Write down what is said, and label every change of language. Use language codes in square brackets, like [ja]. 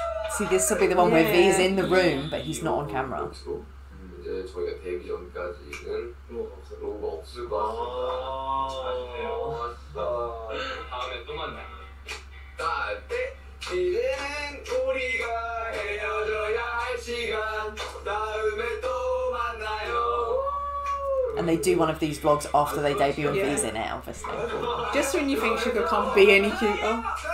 [en] See, this will be the one where V is in the room, but he's not on camera. [ko] 이제 저희가 데뷔 전까지는 로그 없을 것 같습니다. 다음에 또 만나. 다 이제는 우리가 헤어져야 할 시간. 다음에 또 만나요. [en] And they do one of these vlogs after they debut and V's in it, obviously. Just when you think Sugar can't be any cuter.